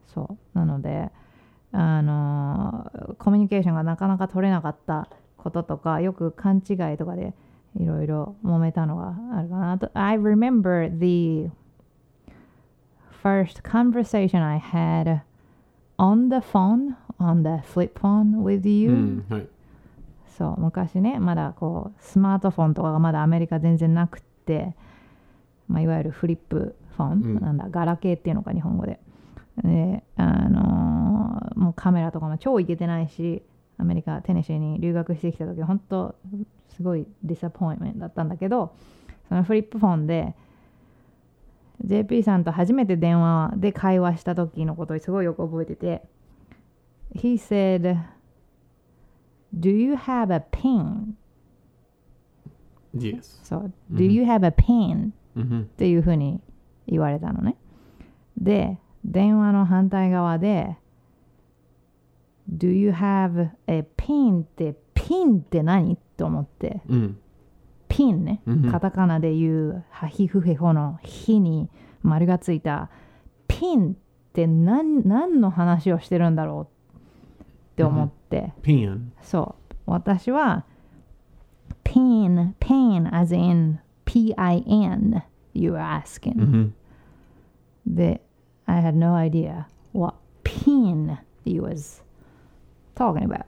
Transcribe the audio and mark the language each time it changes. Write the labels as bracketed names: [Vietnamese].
[Japanese] そう、なのでコミュニケーションがなかなか取れなかったこととか、よく勘違いとかでいろいろ揉めたのがあるかなと。 [English] I remember theFirst conversation I had on the phone, on the flip phone with you.、 [Japanese] うん、はい。そう、昔ね、まだこう、スマートフォンとかがまだアメリカ全然なくて、まあ、いわゆるフリップフォン、うん、なんだ、ガラケーっていうのか、日本語で。で、もうカメラとかも超いけてないし、アメリカ、テネシーに留学してきた時、本当、すごいディサポイントメントだったんだけど、そのフリップフォンで、JP さんと初めて電話で会話した時のことをすごいよく覚えてて、 [English] He said Do you have a pen? Yes. So, do you have a pen? [Japanese] っていうふうに言われたのね。 [English] で、 [Japanese] 電話の反対側で [English] Do you have a pen? [Japanese] ってピンって何？と思って、うん、ピンね、カタカナで言うハヒフヘホのヒに丸がついたピンって何の話をしてるんだろうって思って、ピン、そう、私はピン、ペイン [English] as in P-I-N you were asking、で、I had no idea what ピン you was talking about、